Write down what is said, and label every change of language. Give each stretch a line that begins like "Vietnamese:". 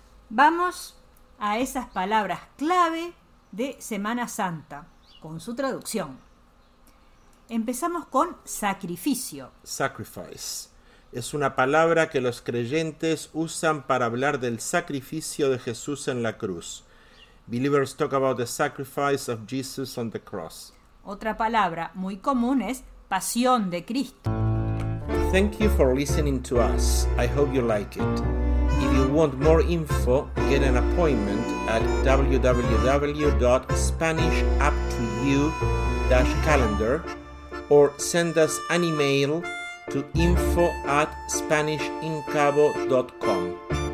Spanish: Vamos a esas palabras clave de Semana Santa, con su traducción. Empezamos con sacrificio. Sacrifice es una palabra que los creyentes usan para hablar del sacrificio de Jesús en la cruz.
English: Believers talk about the sacrifice of Jesus on the cross.
Spanish: Otra palabra muy común es pasión de Cristo.
English: Thank you for listening to us. I hope you like it. If you want more info, get an appointment at www.spanishuptoyou-calendar or send us an email to info@spanishincabo.com.